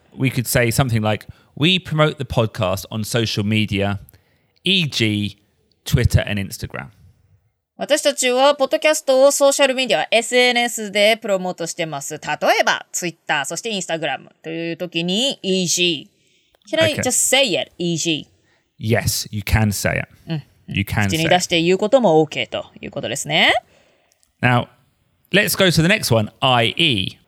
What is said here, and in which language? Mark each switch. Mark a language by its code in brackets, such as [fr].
[en] So, we could say something like, we promote the podcast on social media, e.g. Twitter and Instagram. [ja] 私たちはポッドキャストをソーシャルメディア、SNS でプロモートしてます。例えば、Twitter、そして Instagram という時に EG。 [en] Can I just say it, EG? Yes, you can say it. You can say it. [ja] 口に出して言うことも OK ということですね。 [en] Now, let's go to the next one, IE.